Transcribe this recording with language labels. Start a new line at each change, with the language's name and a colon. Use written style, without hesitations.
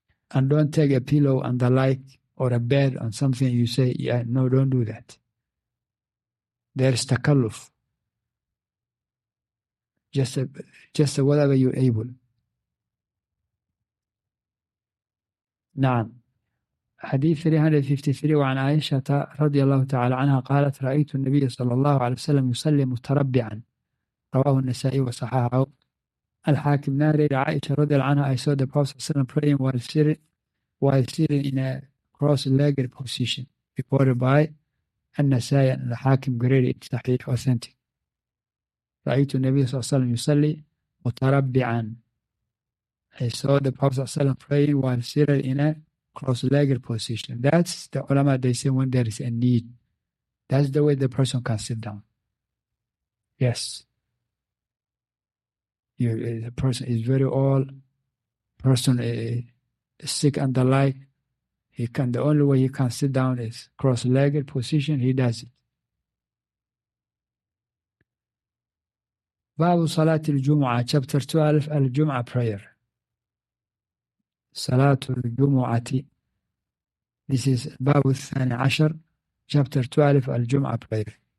English: And don't take a pillow and the like, or a bed on something, you say, yeah, no, don't do that. There's takalluf. Just whatever you're able.
Arabic: نعم. حديث 353 وعن عائشة رضي الله تعالى عنها قالت رأيت النبي صلى الله عليه وسلم يصلي متربعا رواه النسائي وصححه الحاكم.
English: ناري
Arabic: عائشة رضي الله عنها
English: I saw the Prophet
Arabic: صلى الله عليه وسلم
English: praying while sitting in a cross-legged position reported by النسائي الحاكم graded صحيح authentic.
Arabic: رأيت النبي صلى الله عليه وسلم يصلي متربعا.
English: I saw the Prophet
Arabic: صلى الله عليه وسلم
English: praying while seated in a cross-legged position. That's the ulama, they say when there is a need. That's the way the person can sit down. Yes. The person is very old. Person is sick and the like. The only way he can sit down is cross-legged position. He does it.
Arabic: باب صلاة الجمعة
English: chapter 12
Arabic: الجمعة prayer صلاة الجمعة.
English: This is
Arabic: باب الثاني عشر
English: chapter 12 الجمعة prayer.